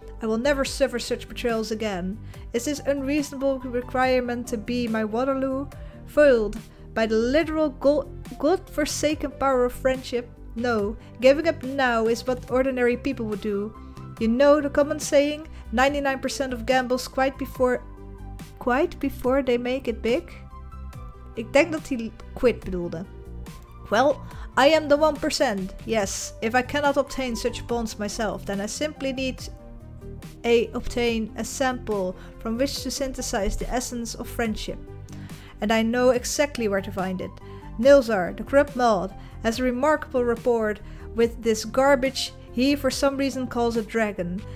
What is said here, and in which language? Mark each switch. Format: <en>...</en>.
<en>I will never suffer such betrayals again. Is this unreasonable requirement to be my Waterloo? Foiled by the literal godforsaken power of friendship? No, giving up now is what ordinary people would do. You know the common saying, 99% of gambles quite before they make it big?</en> <nl>Ik denk dat hij quit bedoelde.</nl> <en>Well, I am the 1%. Yes, if I cannot obtain such bonds myself, then I simply need to obtain a sample from which to synthesize the essence of friendship. And I know exactly where to find it. Nilzar, the corrupt mod, has a remarkable rapport with this garbage he for some reason calls a dragon.</en>